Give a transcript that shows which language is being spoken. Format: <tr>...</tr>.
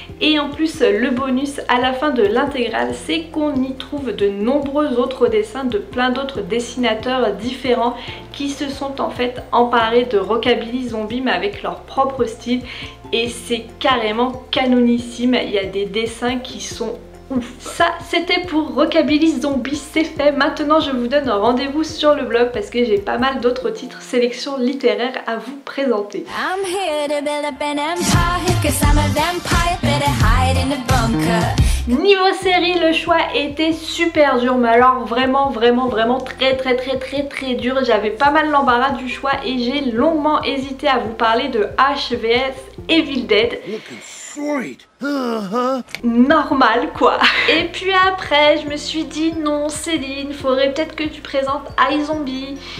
<fr>Et en plus, le bonus à la fin de l'intégrale, c'est qu'on y trouve de nombreux autres dessins de plein d'autres dessinateurs différents qui se sont en fait emparés de Rockabilly Zombie mais avec leur propre style, et c'est carrément canonissime. Il y a des dessins qui sont ouf. Ça, c'était pour Rockabilly Zombie, c'est fait. Maintenant, je vous donne rendez-vous sur le blog parce que j'ai pas mal d'autres titres sélection littéraire à vous présenter.</fr> <en>I'm here to build up an empire, cause I'm a vampire, better hide in the bunker.</en> <fr>Niveau série, le choix était super dur, mais alors vraiment, vraiment, vraiment très, très, très, très, très dur. J'avais pas mal l'embarras du choix et j'ai longuement hésité à vous parler de H vs Evil Dead. Normal quoi. Et puis après je me suis dit non Céline, faudrait peut-être que tu présentes iZombie.</fr>